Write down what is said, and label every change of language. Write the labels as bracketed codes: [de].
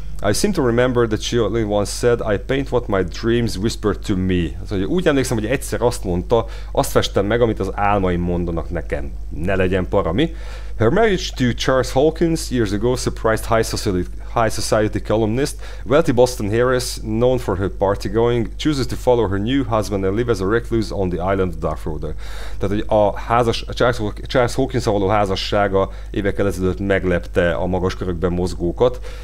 [en] I seem to remember that she only once said, I paint what my dreams whisper to me. [hu] Szóval, úgy emlékszem, hogy egyszer azt mondta, azt festem meg, amit az álmaim mondanak nekem. Ne legyen parami. [en] Her marriage to Charles Hawkins years ago surprised high society columnist. Wealthy Boston heiress, known for her party going, chooses to follow her new husband and live as a recluse on the island of Darkwater. [hu] Tehát, hogy Charles Hawkins-a való házassága évekkel ezelőtt meglepte a magas körökben mozgókat.